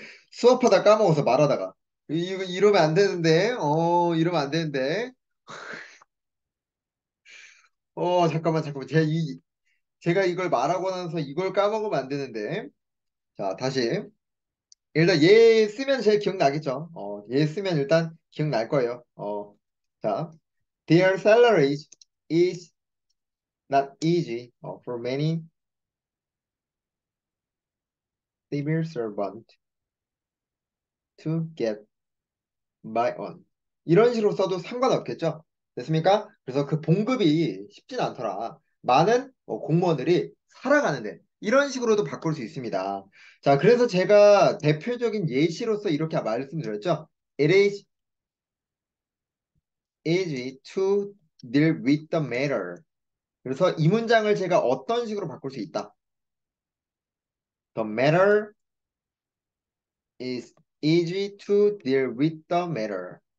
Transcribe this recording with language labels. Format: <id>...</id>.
<ko>수업하다 까먹어서 말하다가 이러면 안 되는데. 이러면 안 되는데. 잠깐만. 제가 이걸 말하고 나서 이걸 까먹으면 안 되는데. 자, 다시. 일단 얘 쓰면 제일 기억나겠죠. 얘 쓰면 일단 기억날 거예요.</ko> <en>자, their salaries is not easy for many civil servant to get by on.</en> <ko>이런 식으로 써도 상관없겠죠. 됐습니까? 그래서 그 봉급이 쉽진 않더라. 많은 공무원들이 살아가는 데 이런 식으로도 바꿀 수 있습니다. 자, 그래서 제가 대표적인 예시로서 이렇게 말씀드렸죠.</ko> <en>It is easy to deal with the matter.</en> <ko>그래서 이 문장을 제가 어떤 식으로 바꿀 수 있다?</ko> <en>The matter is easy to deal with the matter.</en>